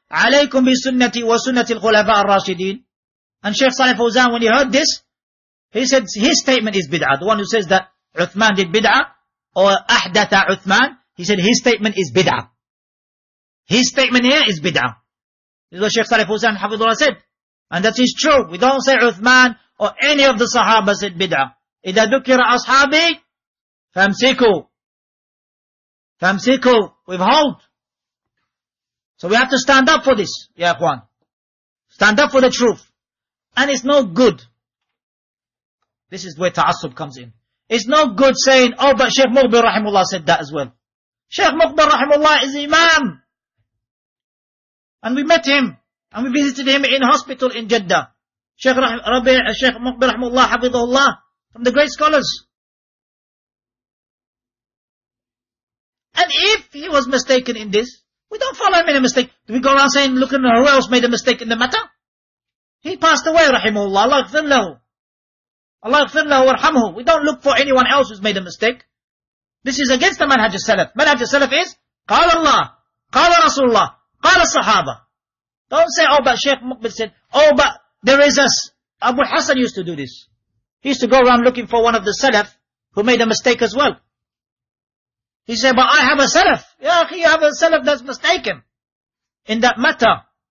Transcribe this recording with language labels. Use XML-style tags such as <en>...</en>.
<ar>عليكم بسنتي وسنة الخلفاء الراشدين.</ar> <en>And Sheikh Saleh Fawzan, when he heard this, he said his statement is bid'ah. The one who says that Uthman did bid'ah or ahdatha Uthman, he said his statement is bid'ah. His statement here is bid'ah. This is what Sheikh Saleh Fawzan hafidhullah said. And that is true. We don't say Uthman or any of the Sahaba said bid'ah.</en> <ar>إِذَا ذُكِرَ أَصْحَابِي فَامْسِكُوا فَامْسِكُوا withhold.</ar> <en>So we have to stand up for this, ya ikhwan. Stand up for the truth. And it's no good. This is where ta'assub comes in. It's no good saying, oh, but Sheikh Muqbil rahimullah said that as well. Sheikh Muqbil rahimullah is imam. And we met him. And we visited him in hospital in Jeddah. Sheikh Muqbil rahimullah, hafidhullah, from the great scholars. And if he was mistaken in this, we don't follow him in a mistake. Do we go around saying, look, who else made a mistake in the matter? He passed away, rahimahullah. Allah ighfir lahu. Allah ighfir lahu warhamhu. We don't look for anyone else who's made a mistake. This is against the manhaj al-salaf.</en> <ar>Manhaj al-salaf is, قال الله, قال رسول الله, قال الصحابة.</ar> <en>Don't say, oh, but Sheikh Muqbil said, oh, but there is us. Abu Hassan used to do this. He used to go around looking for one of the salaf who made a mistake as well. He said, but I have a salaf. Yeah, you have a salaf that's mistaken in that matter.</en>